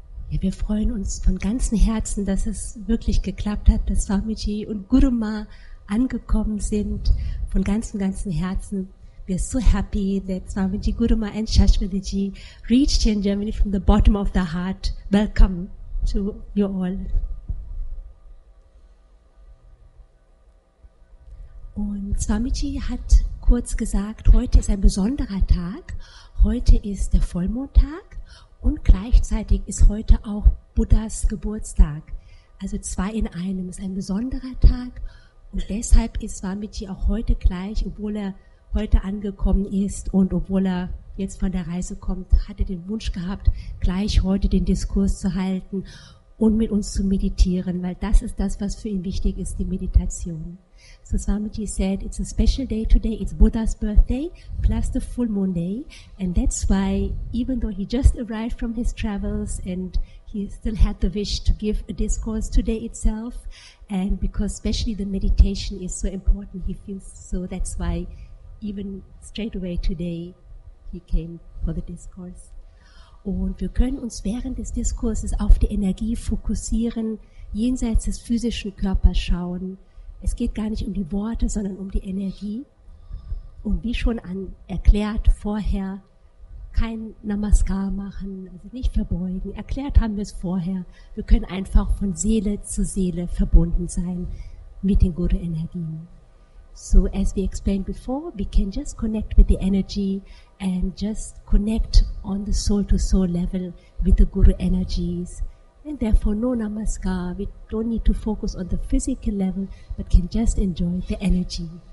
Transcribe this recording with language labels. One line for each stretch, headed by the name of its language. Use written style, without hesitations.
German: Wir freuen uns von ganzem Herzen, dass es wirklich geklappt hat, dass Swamiji und Guru Ma angekommen sind. Von ganzem Herzen.
English: We are so happy that Swamiji, Guru Ma and Shashwatiji reached here in Germany from the bottom of their heart. Welcome to you all.
German: Und Swamiji hat kurz gesagt, heute ist ein besonderer Tag. Heute ist der Vollmondtag. Und gleichzeitig ist heute auch Buddhas Geburtstag. Also zwei in einem, ist ein besonderer Tag. Und deshalb ist Swamiji auch heute gleich, obwohl er heute angekommen ist und obwohl er jetzt von der Reise kommt, hat er den Wunsch gehabt, gleich heute den Diskurs zu halten und mit uns zu meditieren, weil das ist das, was für ihn wichtig ist, die Meditation.
English: So Swamiji said, it's a special day today, it's Buddha's birthday plus the full moon day, and that's why even though he just arrived from his travels and he still had the wish to give a discourse today itself, and because especially the meditation is so important, he feels so, that's why even straight away today he came for the discourse.
German: Und wir können uns während des Diskurses auf die Energie fokussieren, jenseits des physischen Körpers schauen. Es geht gar nicht um die Worte, sondern um die Energie. Und wie schon erklärt vorher, kein Namaskar machen, also nicht verbeugen. Erklärt haben wir es vorher. Wir können einfach von Seele zu Seele verbunden sein mit den Guru-Energien.
English: So as we explained before, we can just connect with the energy and just connect on the soul-to-soul level with the guru energies. And therefore, no namaskar. We don't need to focus on the physical level, but can just enjoy the energy.